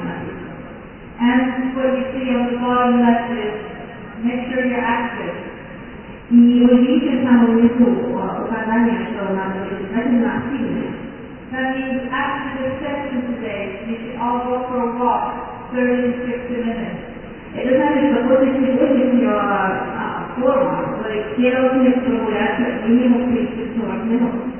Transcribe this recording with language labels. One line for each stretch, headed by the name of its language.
English: And what you see on the bottom left is make sure you're active.
Russian: И вы видите самое низкое указание, что надо быть обязательно активным.
English: That means after the session today, you should all go for a walk 30-60 minutes.
Russian: Это значит, что после сегодняшнего форума вы должны прогуляться минимум 30-40 минут.